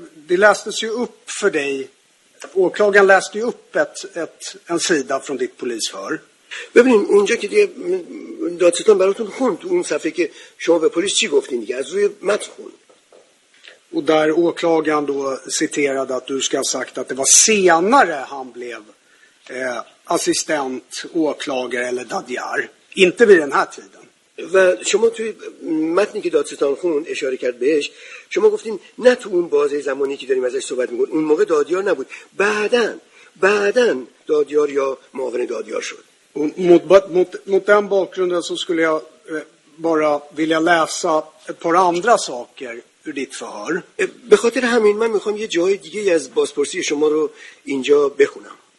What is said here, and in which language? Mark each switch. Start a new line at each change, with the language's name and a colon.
Swedish: Det lästes ju upp för dig. Åklagaren läste upp en sida från ditt polisför.
Persian: ببینیم اونجا که دیگه دادستان براتون خوند اون صفحه که شما به پلیس چی گفتین دیگه از روی متن خوند.
Swedish: Och där åklagaren då citerade att du ska ha sagt att det var senare han blev assistent, åklagare eller dadjar. Inte vid den här tiden.
Persian: و شما توی متنی که دادستان خوند اشاره کرد بهش شما گفتین نه تو اون بازه زمانی که داریم ازش صحبت میکنیم اون موقع دادیار نبود بعدن دادیار یا معاون دادیار شد
Swedish: mot den bakgrunden så skulle jag bara vilja läsa ett par andra saker ur ditt förhör.
Persian: به خاطر همین من میخوام یه جای دیگه از بازپرسی شما رو اینجا بخونم.